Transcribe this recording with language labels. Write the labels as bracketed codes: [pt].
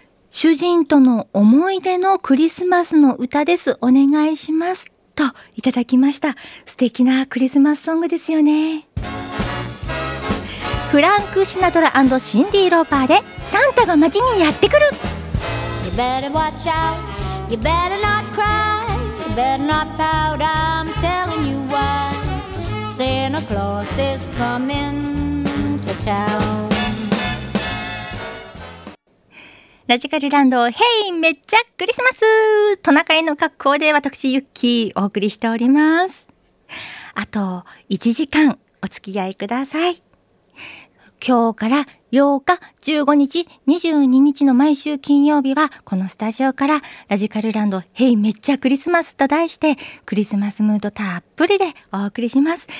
[ja] 主人との思い出のクリスマスの歌です、お願いしますといただきました。素敵なクリスマスソングですよね。フランク・シナトラ&シンディ・ローパーでサンタが街にやってくる。 [en] You better watch out, you better not cry, you better not pout, I'm telling you why Santa Claus is coming to town。 [ja] ラジカルランド、ヘイめっちゃクリスマス、トナカイの格好で私ユッキーお送りしております。あと1時間お付き合いください。今日から8日15日22日の毎週金曜日はこのスタジオからラジカルランド、ヘイめっちゃクリスマスと題してクリスマスムードたっぷりでお送りします。